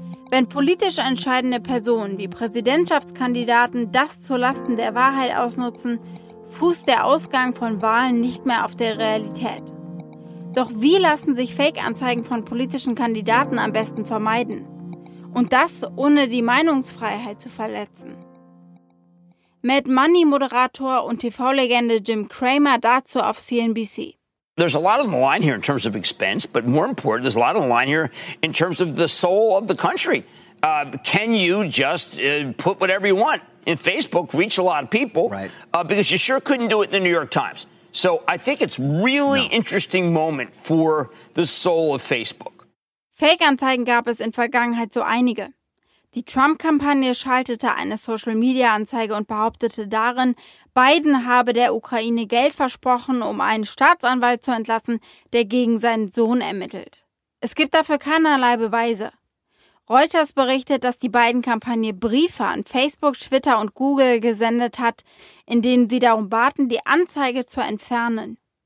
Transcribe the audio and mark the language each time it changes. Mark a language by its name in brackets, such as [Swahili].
[German] Wenn politisch entscheidende Personen wie Präsidentschaftskandidaten das zulasten der Wahrheit ausnutzen, fußt der Ausgang von Wahlen nicht mehr auf der Realität. Doch wie lassen sich Fake-Anzeigen von politischen Kandidaten am besten vermeiden? Und das ohne die Meinungsfreiheit zu verletzen. Mad Money-Moderator und TV-Legende Jim Cramer dazu auf CNBC. [English] There's a lot on the line here in terms of expense, but more important, there's a lot on the line here in terms of the soul of the country. Can you just put whatever you want in Facebook, reach a lot of people, right? Because you sure couldn't do it in the New York Times. So I think it's really interesting moment for the soul of Facebook. [German] Fake-Anzeigen gab es in Vergangenheit so einige. Die Trump-Kampagne schaltete eine Social-Media-Anzeige und behauptete darin, Biden habe der Ukraine Geld versprochen, um einen Staatsanwalt zu entlassen, der gegen seinen Sohn ermittelt. Es gibt dafür keinerlei Beweise. Reuters berichtet, dass die Biden-Kampagne Briefe an Facebook, Twitter und Google gesendet hat, in denen sie darum baten, die Anzeige zu entfernen.